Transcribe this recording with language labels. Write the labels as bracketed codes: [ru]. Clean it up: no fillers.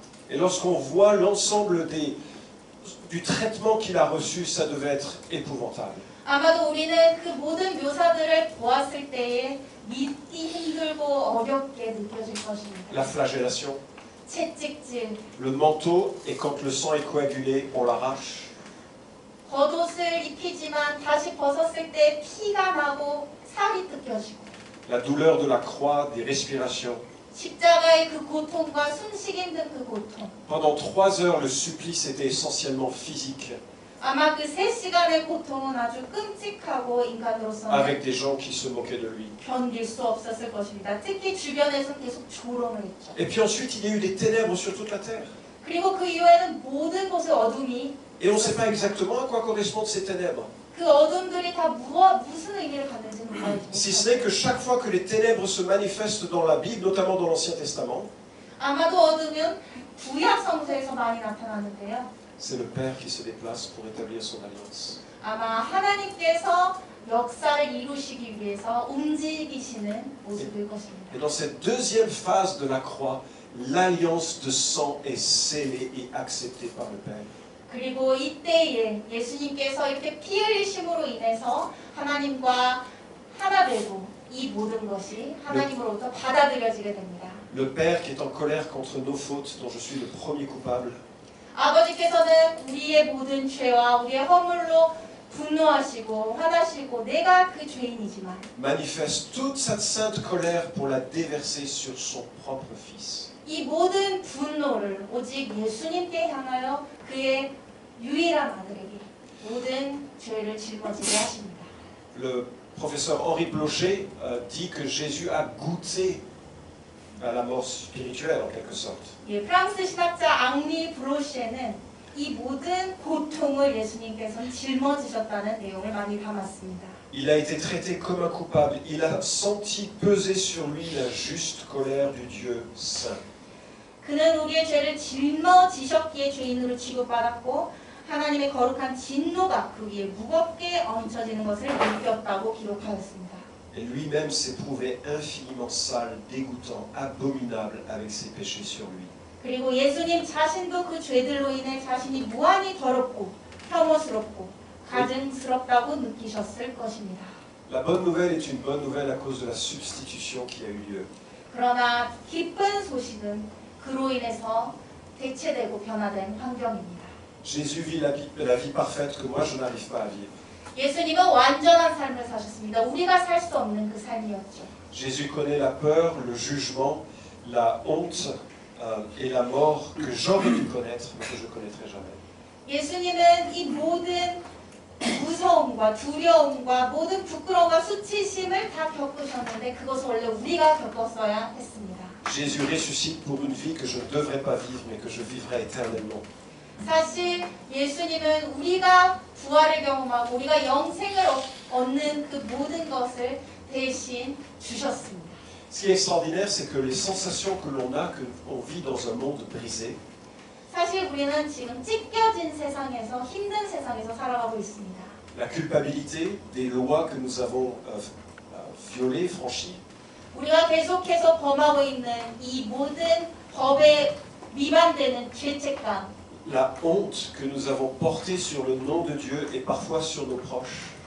[fr] Et lorsqu'on voit l'ensemble du traitement qu'il a reçu, ça devait être épouvantable. [ko] 아마도 우리는 그 모든 묘사들을 보았을 때에 믿기 힘들고 어렵게 느껴질 것입니다. [fr] La flagellation. [ko] 채찍질. [fr] Le manteau et quand le sang est coagulé, on l'arrache. [ko] 겉옷을 입히지만 다시 벗었을 때 피가 나고 살이 뜯겨지고. [fr] La douleur de la croix, des respirations. [ko] 십자가의 그 고통과 숨쉬기 힘든 그 고통. [fr] Pendant 3 heures, le supplice était essentiellement physique. [ko] 아마 그 세 시간의 고통은 아주 끔찍하고 인간으로서는 [fr] Avec des gens qui se moquaient de lui. [ko] 견딜 수 없었을 것입니다. 특히 주변에서 계속 조롱을 했죠. [fr] Et puis ensuite, il y a eu des ténèbres sur toute la terre. [ko] 그리고 그 이후에는 모든 곳에 어둠이 [fr] Et on sait pas exactement à quoi correspondent ces ténèbres. [ko] 그 어둠들이 다 무슨 의미를 갖는지 모르겠어요. [fr] Si ce n'est que chaque fois que les ténèbres se manifestent dans la Bible, notamment dans l'Ancien Testament. [ko] 아마도 어둠은 구약 성서에서 많이 나타나는데요. [fr] C'est le Père qui se déplace pour établir son alliance. [ko] 아마 하나님께서 역사를 이루시기 위해서 움직이시는 모습일 것입니다. [fr] Et dans cette deuxième phase de la croix, l'alliance de sang est scellée et acceptée par le Père. [ko] 그리고 이때에 예수님께서 이렇게 피 흘리심으로 인해서 하나님과 하나 되고 이 모든 것이 하나님으로부터 받아들여지게 됩니다. [fr] Le Père qui est en colère contre nos fautes dont je suis le premier coupable. [ko] 아버지께서는 우리의 모든 죄와 우리의 허물로 분노하시고 화나시고 내가 그 죄인이지만 [fr] manifeste toute cette sainte colère pour la déverser sur son propre fils. [ko] 이 모든 분노를 오직 예수님께 향하여 그의 유일한 아들에게 모든 죄를 짊어지게 하십니다. [fr] Le professeur Henri Blocher dit que Jésus a goûté à la mort spirituelle en quelque sorte. [ko] 예, 프랑스 신학자 앙리 브로셰는 이 모든 고통을 예수님께서 짊어지셨다는 내용을 많이 담았습니다. [fr] Il a été traité comme un coupable. Il a senti peser sur lui la juste colère du Dieu saint. [ko] 그는 우리의 죄를 짊어지셨기에 죄인으로 취급받았고 하나님의 거룩한 진노가 그 위에 무겁게 얹혀지는 것을 느꼈다고 기록하였습니다. [fr] Et lui-même s'est prouvé infiniment sale, dégoûtant, abominable avec ses péchés sur lui. [ko] 그리고 예수님 자신도 그 죄들로 인해 자신이 무한히 더럽고 혐오스럽고 가증스럽다고 느끼셨을 것입니다. [fr] La bonne nouvelle est une bonne nouvelle à cause de la substitution qui a eu lieu. [ko] 그러나 기쁜 소식은 그로 인해서 대체되고 변화된 환경입니다. [fr] Jésus vit la vie parfaite que moi je n'arrive pas à vivre. [ko] 예수님은 완전한 삶을 사셨습니다. 우리가 살 수 없는 그 삶이었죠. [fr] Jésus connaît la peur, le jugement, la honte. Et la mort que j'aurais dû connaître, mais que je connaîtrai jamais. [ko] 예수님은 이 모든 무서움과 두려움과 모든 부끄러움과 수치심을 다 겪으셨는데 그것을 원래 우리가 겪었어야 했습니다. [fr] Jésus ressuscite pour une vie que je ne devrais pas vivre, mais que je vivrai éternellement. [ko] 사실 예수님은 우리가 부활을 경험하고 우리가 영생을 얻는 그 모든 것을 대신 주셨습니다. [fr] Ce qui est extraordinaire, c'est que les sensations que l'on a, que l'on vit dans un monde brisé, [ko] 사실 우리는 지금 찢겨진 세상에서 힘든 세상에서 살아가고 있습니다. [fr] La culpabilité des lois que nous avons violées, franchies. [ko] 우리가 계속해서 범하고 있는 이 모든 법에 위반되는 죄책감. [fr] La honte que nous avons portée sur le nom de Dieu et parfois sur nos proches.